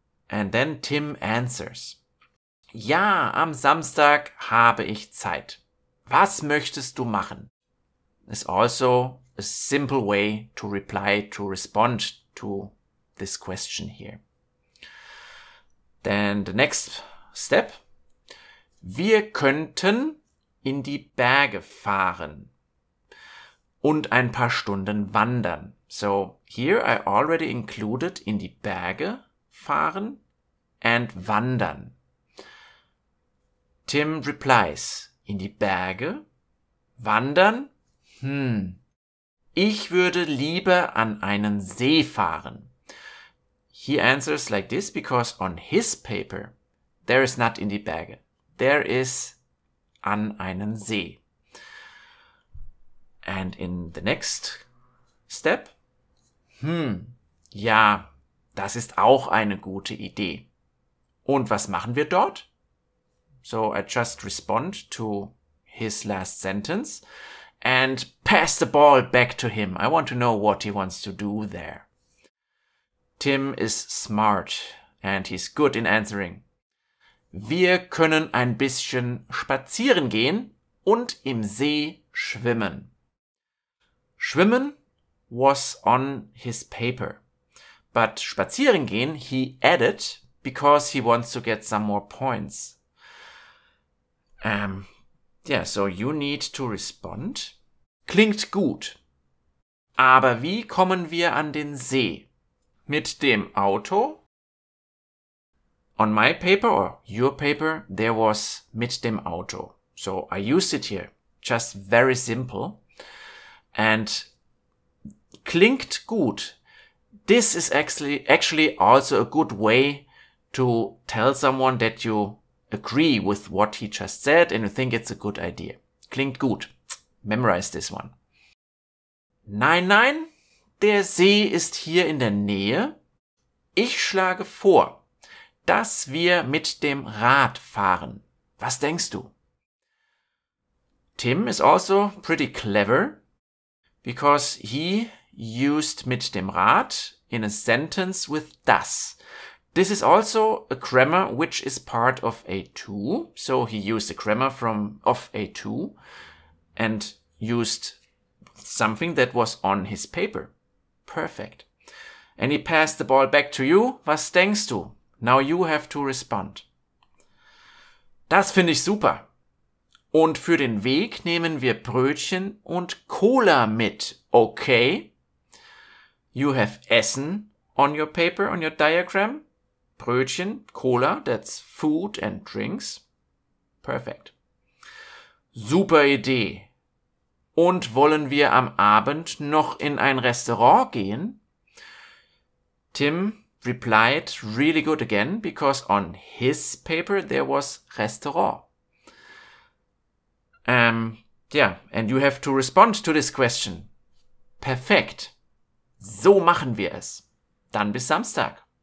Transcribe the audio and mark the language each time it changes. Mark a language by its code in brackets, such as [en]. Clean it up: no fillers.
[en] And then Tim answers. [de] Ja, am Samstag habe ich Zeit. Was möchtest du machen? [en] It's also a simple way to reply, to respond to this question here. Then the next step. [de] Wir könnten in die Berge fahren und ein paar Stunden wandern. [en] So here I already included [de] in die Berge fahren [en] and wandern. Tim replies, [de] in die Berge, wandern, ich würde lieber an einen See fahren. [en] He answers like this because on his paper, there is not [de] in die Berge, [en] there is [de] an einen See. [en] And in the next step, [de] ja, das ist auch eine gute Idee. Und was machen wir dort? [en] So I just respond to his last sentence and pass the ball back to him. I want to know what he wants to do there. Tim is smart and he's good in answering. [de] Wir können ein bisschen spazieren gehen und im See schwimmen. [en] Schwimmen was on his paper, but [de] spazieren gehen [en] he added because he wants to get some more points. So you need to respond. [de] Klingt gut. Aber wie kommen wir an den See? Mit dem Auto? [en] On my paper or your paper, there was [de] mit dem Auto. [en] So I used it here. Just very simple. And [de] klingt gut. [en] This is actually also a good way to tell someone that you agree with what he just said and you think it's a good idea. [de] Klingt gut. [en] Memorize this one. [de] Nein, nein, der See ist hier in der Nähe. Ich schlage vor, dass wir mit dem Rad fahren. Was denkst du? [en] Tim is also pretty clever because he used [de] mit dem Rad [en] in a sentence with das. This is also a grammar which is part of A2. So he used a grammar of A2 and used something that was on his paper. Perfect. And he passed the ball back to you. [de] Was denkst du? [en] Now you have to respond. [de] Das finde ich super. Und für den Weg nehmen wir Brötchen und Cola mit. [en] Okay. You have Essen on your paper, on your diagram. Brötchen, Cola, that's food and drinks. Perfect. [de] Super Idee. Und wollen wir am Abend noch in ein Restaurant gehen? [en] Tim replied really good again, because on his paper there was Restaurant. And you have to respond to this question. [de] Perfekt. So machen wir es. Dann bis Samstag.